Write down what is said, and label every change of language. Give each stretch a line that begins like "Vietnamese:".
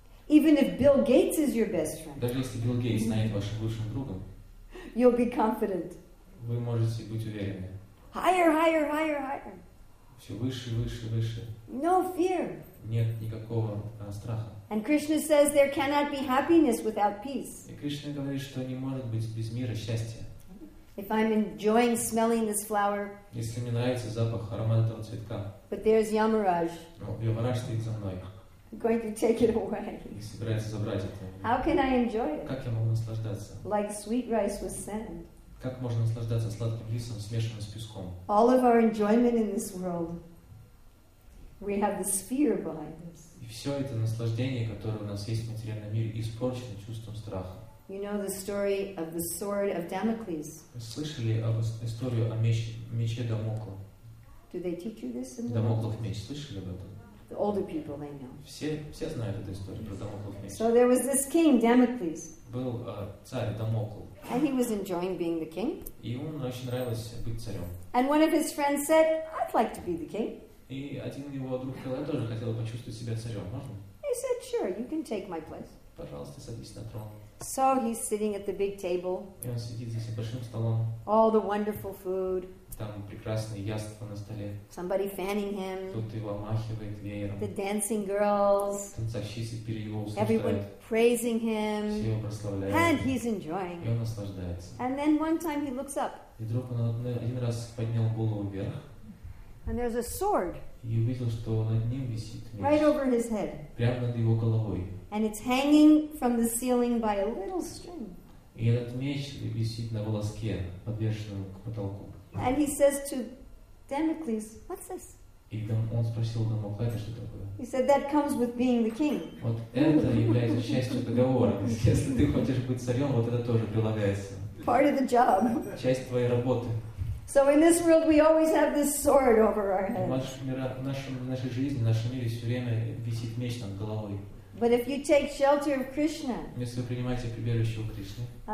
English: Even if Bill Gates is your best friend.
Russian: Даже если Билл Гейтс станет вашим лучшим другом.
English: You'll be confident.
Russian: Вы можете быть уверены.
English: Higher, higher, higher, higher.
Russian: Все выше, выше, выше.
English: No fear.
Russian: Нет никакого страха.
English: And Krishna says there cannot be happiness without peace.
Russian: И Кришна говорит, что не может быть без мира счастья.
English: If I'm enjoying smelling this flower.
Russian: Если мне нравится запах аромата этого цветка.
English: But there's Yamaraj.
Russian: Но Ямарадж стоит за мной.
English: Going to take it away.
Russian: И собирается забрать это.
English: How can I enjoy it?
Russian: Как я могу наслаждаться?
English: Like sweet rice with sand.
Russian: Как можно наслаждаться сладким рисом, смешанным с песком?
English: All of our enjoyment in this world, we have this fear behind us.
Russian: И все это наслаждение, которое у нас есть в материальном мире, испорчено чувством страха.
English: You know the story of the sword of Damocles.
Russian: Слышали об историю о мече Дамокла?
English: Do they teach you this in the?
Russian: Дамоклов меч. Слышали об этом?
English: The older people, they know.
Russian: Все знают эту историю про Дамоклов меч.
English: So there was this king, Damocles.
Russian: Был царь Дамокл.
English: And he was enjoying being the king.
Russian: И ему очень нравилось быть царем.
English: And one of his friends said, "I'd like to be the king."
Russian: И один его друг сказал, "Я тоже хотел почувствовать себя царем, можно?"
English: He said, "Sure, you can take my place."
Russian: Пожалуйста, садись на трон.
English: So he's sitting at the big table.
Russian: И он сидит здесь за большим столом.
English: All the wonderful food.
Russian: Там прекрасные яства на столе.
English: Somebody fanning him.
Russian: Тут его махивает веером.
English: The dancing girls.
Russian: Танцовщицы перед его устраивают.
English: Everyone praising him.
Russian: Все его прославляют.
English: And he's enjoying.
Russian: И он наслаждается.
English: And then one time he looks up.
Russian: И вдруг он один раз поднял голову вверх.
English: And there's a sword.
Russian: И увидел, что над ним висит меч.
English: Right over his head.
Russian: Прямо над его головой.
English: And it's hanging from the ceiling by a little string.
Russian: И этот меч висит на волоске, подвешенном к потолку.
English: And he says to Damocles, "What's this?"
Russian: И он спросил Дамокла, это что такое?
English: He said, "That comes with being the king."
Russian: Вот это является частью договора. Если ты хочешь быть царем, вот это тоже прилагается.
English: Part of the job.
Russian: Часть твоей работы.
English: So in this world, we always have this sword over our heads.
Russian: В нашей жизни, в нашем мире все время висит меч над головой.
English: But if you take shelter of Krishna,
Russian: если вы принимаете прибежище у Кришны,